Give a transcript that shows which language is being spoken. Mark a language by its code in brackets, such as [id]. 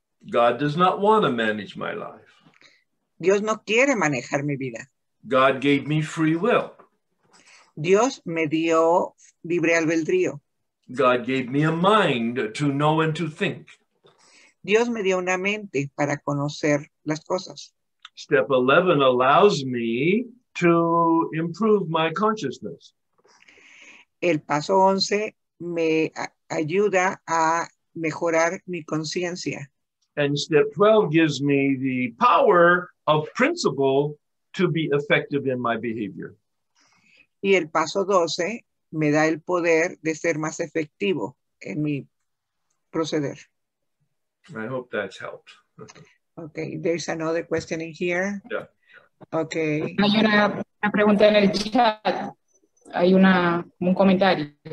[en] God does not want to manage my life. [es] Dios no quiere manejar mi vida. [en] God gave me free will. [es] Dios me dio libre albedrío. [en] God gave me a mind to know and to think. [es] Dios me dio una mente para conocer las cosas. [en] Step 11 allows me to improve my consciousness. [es] El paso 11 me ayuda a mejorar mi conciencia. [en] And step 12 gives me the power of principle to be effective in my behavior. [es] Y el paso 12 me da el poder de ser más efectivo en mi proceder. [en] I hope that's helped. Okay, there's another question in here. Yeah. Okay. [es] Hay una pregunta en el chat. Hay un comentario.